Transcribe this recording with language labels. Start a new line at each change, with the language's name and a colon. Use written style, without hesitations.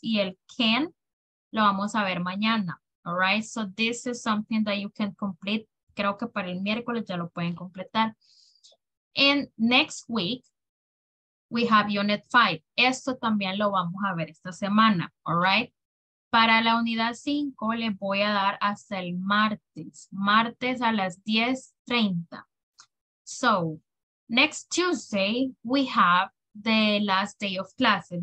Spanish: Y el can, lo vamos a ver mañana.
English: All right, so this is something that you can complete.
Spanish: Creo que para el miércoles ya lo pueden completar.
English: And next week, we have unit 5.
Spanish: Esto también lo vamos a ver esta semana,
English: all right?
Spanish: Para la unidad 5 les voy a dar hasta el martes. Martes a las 10:30.
English: So, next Tuesday we have the last day of classes.